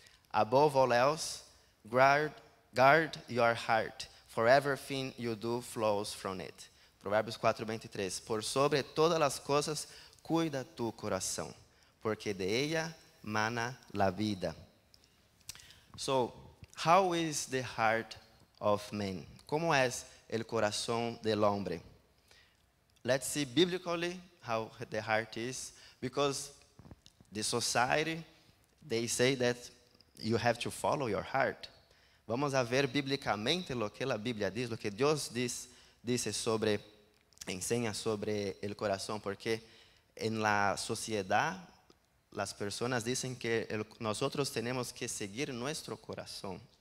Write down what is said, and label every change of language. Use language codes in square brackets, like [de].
[en] Above all else, guard your heart, for everything you do flows from it. [es] Proverbios 4:23. Por sobre todas las cosas, cuida tu corazón, porque de ella mana la vida. [en] So, how is the heart of man? [es] ¿Cómo es el corazón del hombre? [en] Let's see biblically how the heart is, because the society, they say that you have to follow your heart. [es] Vamos a ver bíblicamente lo que la Biblia dice, lo que Dios dice sobre, enseña sobre el corazón, porque en la sociedad las personas dicen que nosotros tenemos que seguir nuestro corazón.